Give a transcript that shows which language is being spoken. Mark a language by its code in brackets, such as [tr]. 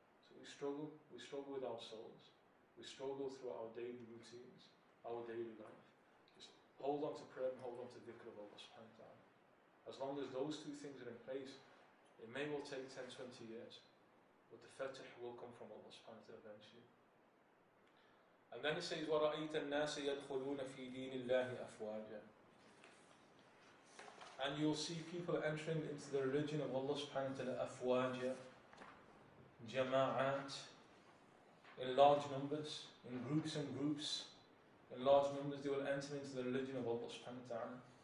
[en] So we struggle with our souls. We struggle through our daily routines. our daily life. Just hold on to prayer and hold on to dhikr of Allah subhanahu wa ta'ala. As long as those two things are in place, it may well take 10, 20 years, but the fatih will come from Allah subhanahu wa ta'ala eventually. And then it says, [ar] وَرَأَيْتَ النَّاسَ يَدْخُلُونَ فِي دِينِ اللَّهِ أَفْوَاجًا. [en] And you'll see people entering into the religion of Allah subhanahu wa ta'ala afwaja, jama'at, in large numbers, in groups and groups, in large numbers they will enter into the religion of Allah subhanahu wa ta'ala.